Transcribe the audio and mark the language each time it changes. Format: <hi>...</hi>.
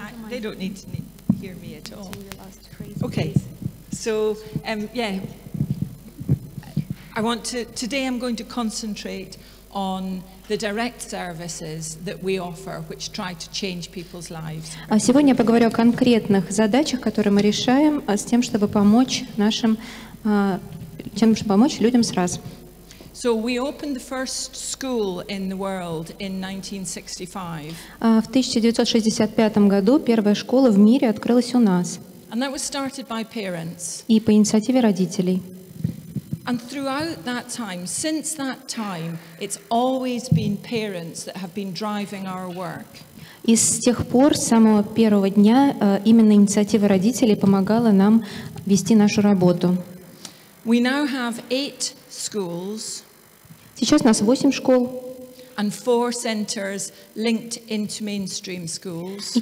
<en>They don't need to hear me at all. Okay, so I want to, today I'm going to concentrate on the direct services that we offer, which try to change people's lives.</en> <ru>А сегодня я поговорю о конкретных задачах, которые мы решаем, с тем, чтобы помочь нашим, людям с РАС.</ru> <en>So we opened the first school in the world in 1965.</en> <ru>В 1965 году первая школа в мире открылась у нас.</ru> <en>And that was started by parents.</en> <ru>И по инициативе родителей.</ru> <en>And throughout that time, since that time, it's always been parents that have been driving our work.</en> <ru>И с тех пор, с самого первого дня, именно инициатива родителей помогала нам вести нашу работу.</ru> <en>We now have 8 schools.</en> <ru>Сейчас у нас 8 школ.</ru> <en>And 4 centers linked into mainstream schools.</en>